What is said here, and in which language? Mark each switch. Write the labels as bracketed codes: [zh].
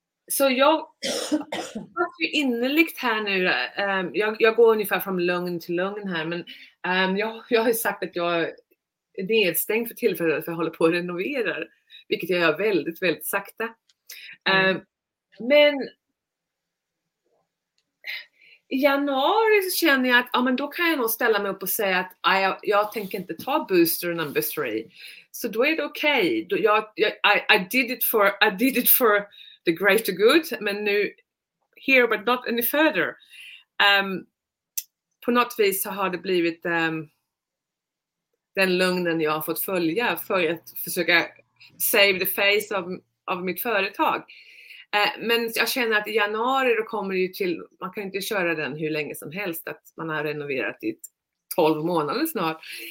[sv] Så jag har ju innerligt här nu, jag går ungefär från lugn till lugn här, men jag har ju sagt att jag är nedstängd för tillfället, för jag håller på att renovera, vilket jag gör väldigt, väldigt sakta. Men i januari så känner jag att men då kan jag nog ställa mig upp och säga att jag tänker inte ta [en] booster number 3. [sv] Så då är det okej. [en] Okay. I did it for the greater good, [sv] men nu [en] here but not any further. [sv] På på något vis så har det blivit den lögnen jag har fått följa för att försöka [en] save the face [sv] av mitt företag. Men jag känner att i januari då kommer det ju till, man kan ju inte köra den hur länge som helst, att man har renoverat i 12 månader snart.